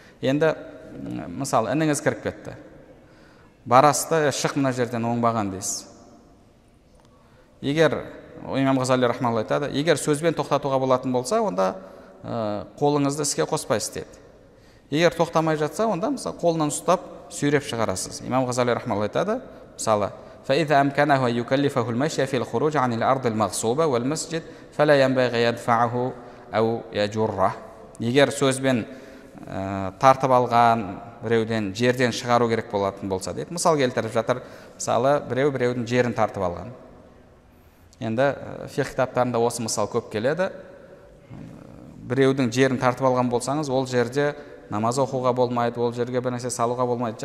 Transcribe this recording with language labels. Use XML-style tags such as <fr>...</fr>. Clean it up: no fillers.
<kk>Енді мысалы, ініңіз кіріп кетті. Барасыз да, шық мына жерден оңбаған дейсіз. Егер имам Ғазали рахмалла айтады, егер сөзбен тоқтатуға болатын болса, онда қолыңызды іске қоспайсыз деді. Егер тоқтамай жатса, онда мысалы қолынан ұстап сүйреп шығарасыз. Имам Ғазали рахмалла айтады, мысалы:</kk> <ar>فإذا أمكنه أن يكلفه المشي في الخروج عن الأرض المغصوبة والمسجد فلا ينبغي يدفعه أو يجره.</ar> <kk>Егер сөзбен тартып алған біреуден жерден шығару керек болатын болса деп мысал келтіріп жатыр. Мысалы, біреу біреудің жерін тартып алған. Енді фиқ кітаптарында осы мысал көп келеді. Біреудің жерін тартып алған болсаңыз, ол жерде намаз оқуға болмайды, ол жерге бір нәрсе салуға болмайды.</kk>